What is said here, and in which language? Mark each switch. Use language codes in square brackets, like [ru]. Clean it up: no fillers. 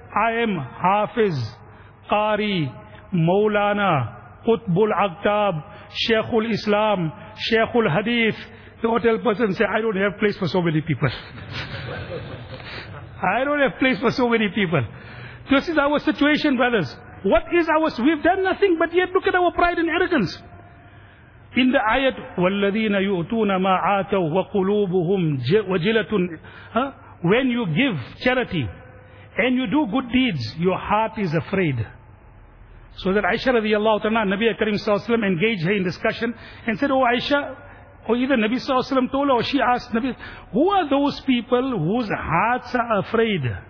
[en] "I am Hafiz, Qari, Maulana, Qutbul Aktab, Sheikhul Islam, Sheikhul Hadith." The hotel person said, "I don't have place for so many people." "I don't have place for so many people." This is our situation, brothers. What is ours? We've done nothing, but yet look at our pride and arrogance. In the ayat, [ar] وَالَّذِينَ يُؤْتُونَ مَا عَاتَوْا وَقُلُوبُهُمْ وَجِلَةٌ. [en] When you give charity and you do good deeds, your heart is afraid. So that Aisha radiallahu ta'ala, Nabi Karim s.a.w. engaged her in discussion and said, "Oh Aisha," or either Nabi s.a.w. told her, or she asked Nabi, "Who are those people whose hearts are afraid?